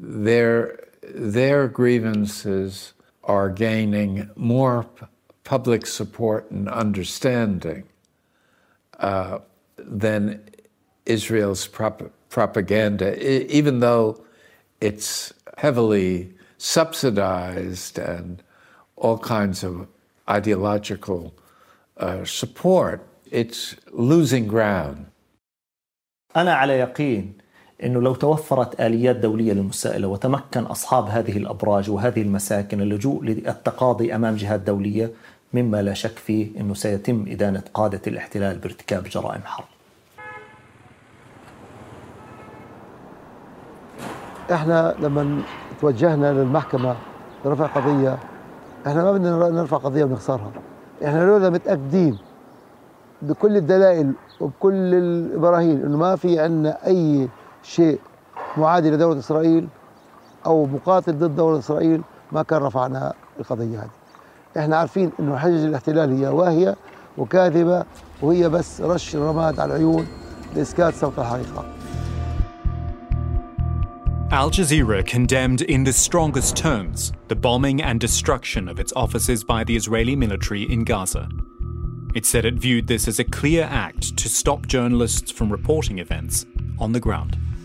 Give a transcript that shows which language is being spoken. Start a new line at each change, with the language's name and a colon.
English: Their grievances are gaining more public support and understanding than Israel's propaganda, even though it's heavily subsidized and all kinds of ideological support, it's losing ground.
Arabic: أنا على يقين إنه لو توفرت آليات دولية للمسائلة وتمكن أصحاب هذه الأبراج وهذه المساكن اللجوء للتقاضي أمام جهات دولية، مما لا شك فيه إنه سيتم إدانة قادة الاحتلال بارتكاب جرائم حرب. إحنا لما توجهنا للمحكمة لرفع قضية، إحنا ما بدنا نرفع قضية ونخسرها. إحنا لولا متأكدين بكل الدلائل وبكل الإبراهيم إنه ما في عندنا أي شيء معادي لدولة إسرائيل، أو مقاتل ضد دولة إسرائيل ما كان رفعنا القضية هذه. إحنا عارفين إنه حجج الاحتلال هي واهية وكاذبة وهي بس رش الرماد على العيون لإسكات صوت الحقيقة.
English: Al Jazeera condemned in the strongest terms the bombing and destruction of its offices by the Israeli military in Gaza. It said it viewed this as a clear act to stop journalists from reporting events on the ground.